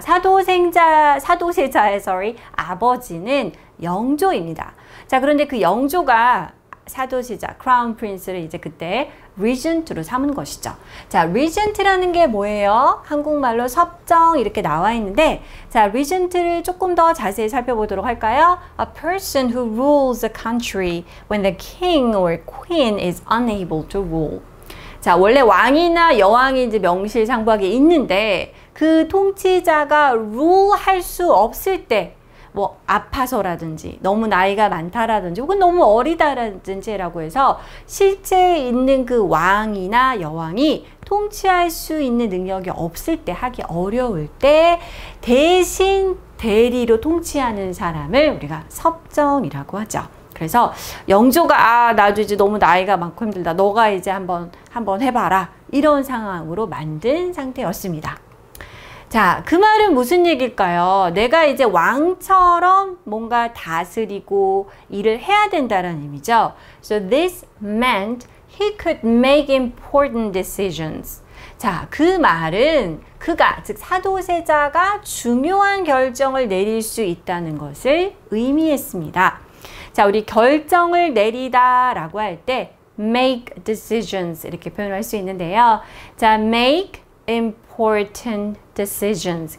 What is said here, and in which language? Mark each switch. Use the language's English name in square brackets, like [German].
[Korean] 사도세자의 아버지는 영조입니다. 자, 그런데 그 영조가 사도세자, 크라운 프린스를 이제 그때 리젠트로 삼은 것이죠. 자, 리젠트라는 게 뭐예요? 한국말로 섭정 이렇게 나와 있는데, 자, 리젠트를 조금 더 자세히 살펴보도록 할까요? [English] A person who rules a country when the king or queen is unable to rule. [Korean] 자, 원래 왕이나 여왕이 이제 명실상부하게 있는데 그 통치자가 rule 할 수 없을 때, 뭐 아파서라든지 너무 나이가 많다라든지 혹은 너무 어리다라든지 라고 해서 실제 있는 그 왕이나 여왕이 통치할 수 있는 능력이 없을 때, 하기 어려울 때 대신 대리로 통치하는 사람을 우리가 섭정이라고 하죠. 그래서 영조가 나도 이제 너무 나이가 많고 힘들다, 너가 이제 한번 해봐라 이런 상황으로 만든 상태였습니다. 자, 그 말은 무슨 얘기일까요? 내가 이제 왕처럼 뭔가 다스리고 일을 해야 된다는 의미죠. [English] So this meant he could make important decisions. [Korean] 자, 그 말은 그가, 즉 사도세자가 중요한 결정을 내릴 수 있다는 것을 의미했습니다. 자, 우리 결정을 내리다 라고 할 때 [English] make decisions [Korean] 이렇게 표현할 수 있는데요. [English] 자, make important decisions.